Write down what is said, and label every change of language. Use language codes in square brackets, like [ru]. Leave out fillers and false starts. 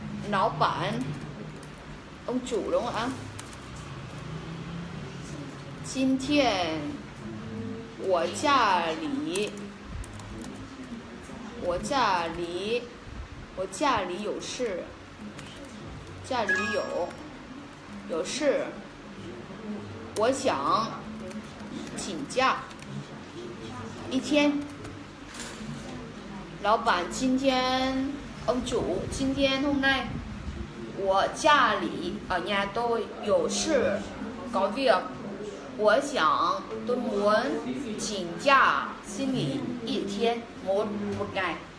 [zh] 老板 [vi] ông chủ đúng không ạ? [zh] 今天我家里我家里有事，家里有事，我想请假一天。老板，今天 [vi] ông chủ, [zh] 今天 [vi] hôm nay [zh] 我家里 [vi] ở nhà tôi [zh] 有事 [vi] có việc, [zh] 我想 [vi] tôi muốn [zh] 请假 [vi] xin nghỉ [zh] 一天 [vi] một ngày.